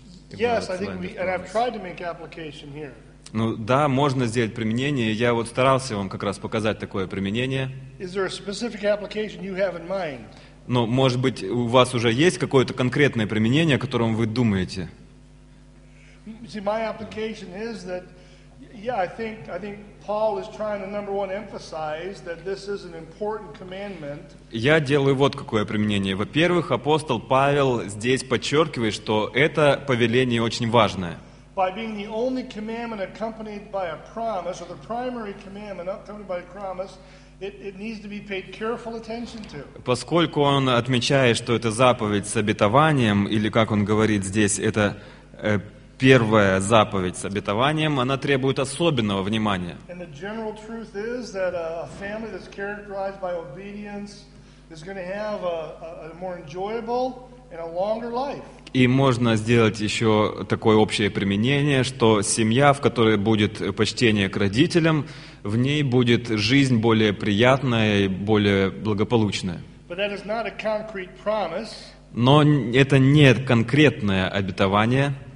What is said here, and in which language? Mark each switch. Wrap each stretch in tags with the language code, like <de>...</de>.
<en>Yes, I think we, and I've tried to make application here.</en> <ru>Ну да, можно сделать применение. Я вот старался вам как раз показать такое применение.</ru> <en>Is there a specific application you have in mind?</en> <ru>Но, может быть, у вас уже есть какое-то конкретное применение, о котором вы думаете?</ru> <en>See, my application is that, yeah, I think Paul is trying to number one emphasize that this is an important commandment.</en> <ru>Я делаю вот какое применение. Во-первых, апостол Павел здесь подчеркивает, что это повеление очень важное.</ru> <en>By being the only commandment accompanied by a promise, or the primary commandment accompanied by a promise, it needs to be paid careful attention to.</en> <ru>Поскольку он отмечает, что это заповедь с обетованием, или как он говорит здесь, это первая заповедь с обетованием, она требует особенного внимания.</ru> <en>And the general truth is that a family that's characterized by obedience is going to have a more enjoyable and a longer life.</en> <ru>И можно сделать еще такое общее применение, что семья, в которой будет почтение к родителям, в ней будет жизнь более приятная и более благополучная. Но это не конкретное обетование.</ru>